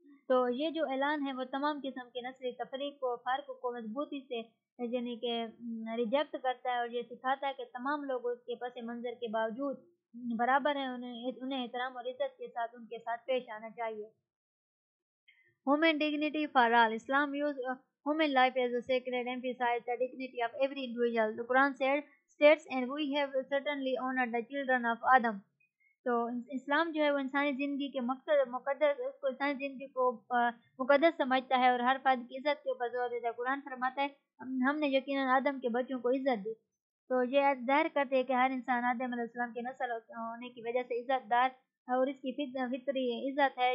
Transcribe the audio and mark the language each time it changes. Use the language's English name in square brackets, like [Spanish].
[Urdu] تو یہ جو اعلان ہے وہ تمام قسم کے نسلی تفریق کو فرق کو مضبوطی سے یعنی کہ ریجیکٹ کرتا ہے اور یہ سکھاتا ہے کہ تمام لوگ اس کے پس منظر کے باوجود برابر ہیں, انہیں احترام اور عزت کے ساتھ ان کے ساتھ پیش آنا چاہیے. [English] Human dignity for all. Islam use human life as a sacred, emphasize the dignity of every individual. The Quran said, states, and we have certainly honored the children of Adam. [Urdu] So Islam جو ہے وہ انسانی زندگی کے مقصد مقدس اس کو انسانی زندگی کو مقدس سمجھتا ہے اور ہر فرد کی عزت کے اوپر زور دیتا ہے. قرآن فرماتا ہے ہم نے یقیناً آدم کے بچوں کو عزت دی, تو یہ ظاہر کرتے ہیں کہ ہر انسان آدم علیہ السلام کے نسل ہونے کی وجہ سے عزت دار اور اس کی فطری عزت ہے.